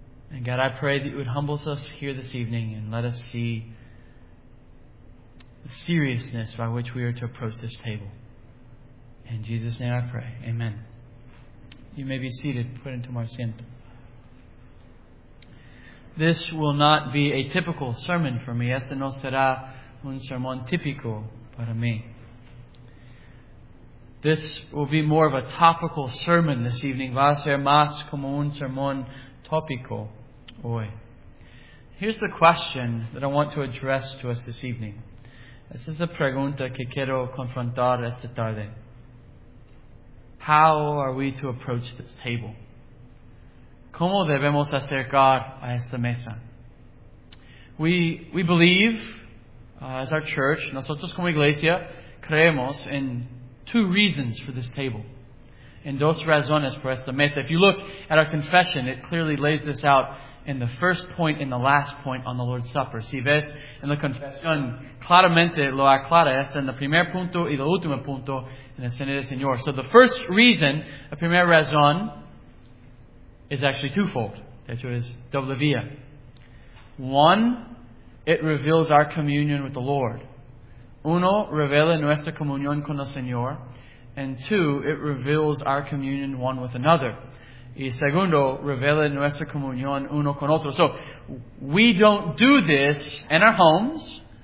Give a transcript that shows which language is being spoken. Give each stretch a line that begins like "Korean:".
English: And God, I pray that you would humble us here this evening and let us see the seriousness by which we are to approach this table. In Jesus' name I pray. Amen. You may be seated. Put into my center. This will not be a typical sermon for me.
Spanish: Este no será un sermón típico para mí.
English: This will be more of a topical sermon this evening.
Spanish: Va a ser más como un sermón tópico hoy.
English: Here's the question that I want to address to us this evening.
Spanish: Esta es la pregunta que quiero confrontar esta tarde.
English: How are we to approach this table?
Spanish: ¿Cómo debemos acercar a esta mesa?
English: We believe, as our church,
Spanish: nosotros como iglesia, creemos
English: in two reasons for this table.
Spanish: En dos razones por esta mesa.
English: If you look at our confession, it clearly lays this out in the first point and the last point on the Lord's Supper.
Spanish: Si ves en la confesión, claramente lo aclara esta en el primer punto y el último punto en la cena del Señor.
English: So the first reason,
Spanish: la primera razón,
English: is actually twofold.
Spanish: De hecho, es doble vía.
English: One, it reveals our communion with the Lord.
Spanish: Uno, revela nuestra comunión con el Señor.
English: And two, it reveals our communion one with another.
Spanish: Y segundo, revela nuestra comunión uno con otro.
English: So, we don't do this in our homes.